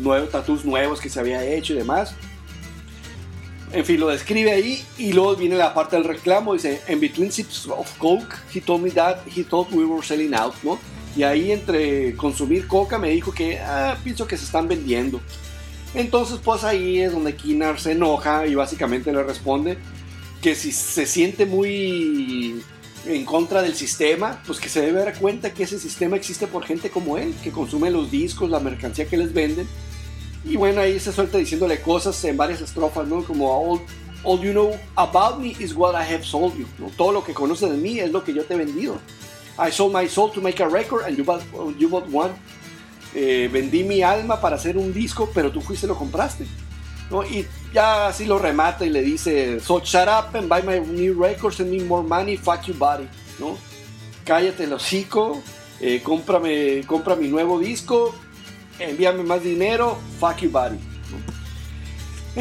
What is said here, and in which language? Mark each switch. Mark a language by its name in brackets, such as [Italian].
[Spanish] Tattoos nuevos que se había hecho y demás. En fin, lo describe ahí y luego viene la parte del reclamo. [English] Dice, in between sips of coke, he told me that he thought we were selling out, ¿no? [Spanish] Y ahí entre consumir coca me dijo que pienso que se están vendiendo. Entonces pues ahí es donde Keenan se enoja y básicamente le responde que si se siente muy en contra del sistema, pues que se debe dar cuenta que ese sistema existe por gente como él, que consume los discos, la mercancía que les venden. Y bueno, ahí se suelta diciéndole cosas en varias estrofas, ¿no? [English] Como, all you know about me is what I have sold you, ¿no? [Spanish] Todo lo que conoces de mí es lo que yo te he vendido. [English] I sold my soul to make a record and you bought one. [Spanish] Vendí mi alma para hacer un disco, pero tú fuiste y lo compraste, ¿no? Y ya así lo remata y le dice, [English] so shut up and buy my new records, send me more money, fuck your body, ¿no? [Spanish] Cállate el hocico, compra mi nuevo disco, envíame más dinero, [English] fuck your body, [Spanish] ¿no?